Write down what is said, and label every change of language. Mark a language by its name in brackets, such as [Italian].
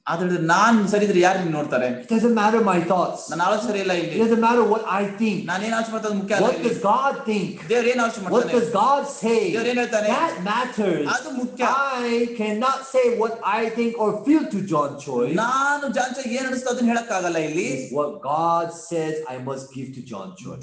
[Kannada] ಆದ್ರೆ ನಾನ್ ಸರಿ ಇದ್ರೆ ಯಾರು ನಿಮ್ ನೋಡ್ತಾರೆ? [English] It doesn't matter my thoughts. [Kannada] ನನ್ನ ಆಲೋಚನೆ ಇಲ್ಲ ಇಲ್ಲಿ. [English] It doesn't matter what I think. [Kannada] ನಾನು ಏನ್ ಆಲೋಚನೆ ಮಾಡ್ತಾ ಮುಖ್ಯ ಅಲ್ಲ. [English] What does God think? [Kannada] ದೇವ್ರು ಏನ್ ಆಲೋಚನೆ ಮಾಡ್ತಾನೆ? [English] What does God say? [Kannada] ದೇವ್ರು ಏನ್ ಹೇಳ್ತಾನೆ? [English] That matters. [Kannada] ಅದು ಮುಖ್ಯ. [English] I cannot say what I think or feel to John Choi. [Kannada] ನಾನು ಜಾನ್ ಚೋಯ್ ಏನ್ ಅನಿಸ್ತೋ ಅದನ್ನ ಹೇಳಕ್ಕಾಗಲ್ಲ ಇಲ್ಲಿ. [English] What God says I must give to John Choi.